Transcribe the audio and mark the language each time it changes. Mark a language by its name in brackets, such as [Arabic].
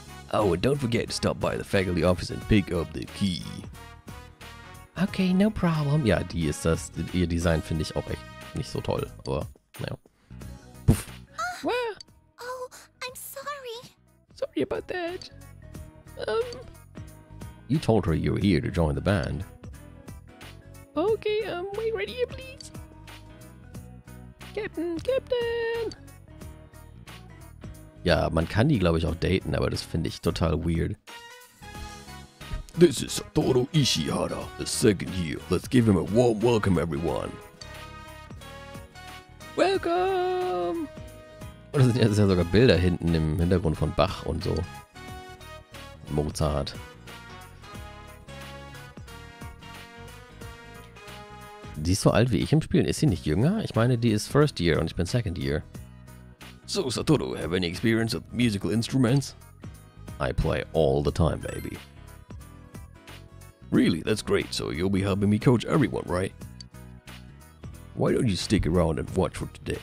[English] Oh, and don't forget to stop by the faculty office and pick up the key. Okay, no problem. [German] Ja, die ist das. Ihr Design finde ich auch echt nicht so toll. Aber, naja. Puff. [English] Oh, I'm sorry. Sorry about that. You told her you were here to join the band. Okay, wait right here, please. Captain. [German] Ja, man kann die, glaube ich, auch daten, aber das finde ich total weird. [English] This is Satoru Ishihara, the second year. Let's give him a warm welcome, everyone. Welcome! [German] Oder sind ja sogar Bilder hinten im Hintergrund von Bach und so. Mozart. Die ist so alt wie ich im Spielen. Ist sie nicht jünger? Ich meine, die ist first year und ich bin second year. [English] So, Satoru, have any experience with musical instruments? I play all the time, baby. Really? That's great. So you'll be helping me coach everyone, right? Why don't you stick around and watch for today?